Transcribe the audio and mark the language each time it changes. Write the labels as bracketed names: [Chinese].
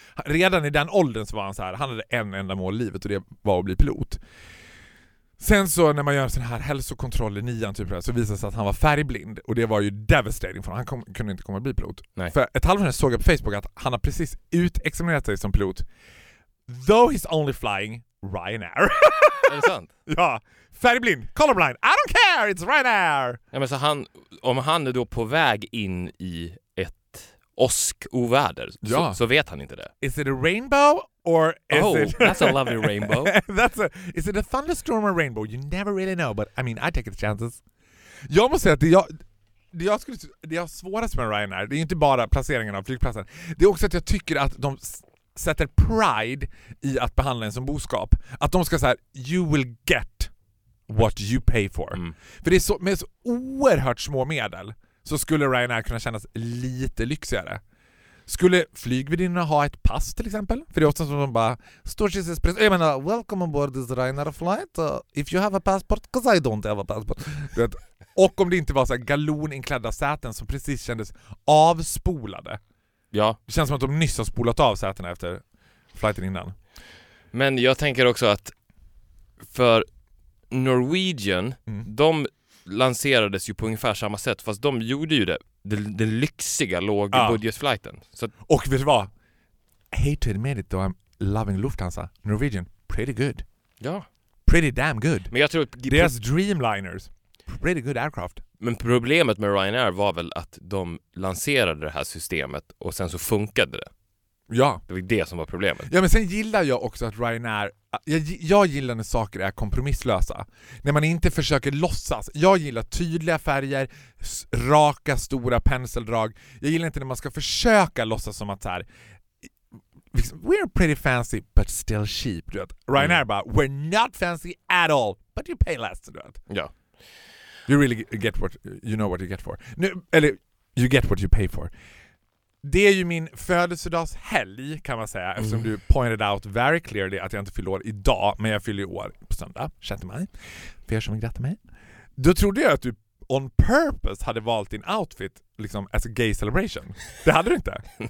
[Swedish] Redan i den åldern så var han så här. Han hade en enda mål i livet och det var att bli pilot. Sen så när man gör sån här hälsokontroll i nian typ så visar det sig att han var färgblind. Och det var ju devastating för honom. Han kunde inte komma bli pilot. Nej. För ett halvår sedan såg jag på Facebook att han har precis utexaminerat sig som pilot. [English] Though he's only flying Ryanair. [Swedish] Är det sant? Ja. Färgblind. [English] Colorblind. I don't care. It's Ryanair. [Swedish] Ja, men så han, om han är då på väg in i ett oskoväder så vet han inte det. [English] Is it a rainbow? Or is that's a lovely rainbow. Is it a thunderstorm or a rainbow? You never really know, but I mean, I take the chances. [Swedish] Jag måste säga att det jag svårast med Ryanair, det är inte bara placeringen av flygplatsen. Det är också att jag tycker att de sätter pride i att behandla en som boskap. Att de ska säga, [English] you will get what you pay for. [Swedish] Mm. För det är så, med så oerhört små medel så skulle Ryanair kunna kännas lite lyxigare. Skulle flygvärdinnorna ha ett pass till exempel? För det är också som att de bara står till sig. Jag menar, [English] welcome aboard this Ryanair flight. If you have a passport, because I don't have a passport. [Swedish] Och om det inte var så här galoninklädda säten som precis kändes avspolade. Ja. Det känns som att de nyss har spolat av sätena efter flighten innan. Men jag tänker också att för Norwegian, de lanserades ju på ungefär samma sätt. Fast de gjorde ju det. Den lyxiga lågbudgetflighten. Och vet du vad? [English] Hate to admit it though, I'm loving Lufthansa. Norwegian, pretty good. [Swedish] Ja. [English] Pretty damn good. [Swedish] Men jag tror att [English] deras dreamliners, pretty good aircraft. [Swedish] Men problemet med Ryanair var väl att de lanserade det här systemet och sen så funkade det. Ja. Det var det som var problemet. Ja, men sen gillar jag också att Ryanair... Jag gillar när saker är kompromisslösa. När man inte försöker låtsas. Jag gillar tydliga färger, raka, stora penseldrag. Jag gillar inte när man ska försöka låtsas som att så här... [English] We're pretty fancy, but still cheap. [Swedish] Du vet? [English] Ryanair bara, we're not fancy at all, but you pay less. [Swedish] Du vet? Ja. [English] You really get what... You know what you get for. [Swedish] Nu, eller, [English] you get what you pay for. [Swedish] Det är ju min födelsedagshelg kan man säga, eftersom du [English] pointed out very clearly [Swedish] att jag inte fyller år idag, men jag fyller år på söndag, 6 maj. För er som vill gratta mig. Då trodde jag att du [English] on purpose [Swedish] hade valt din outfit liksom [English] as a gay celebration. [Swedish] Det hade du inte.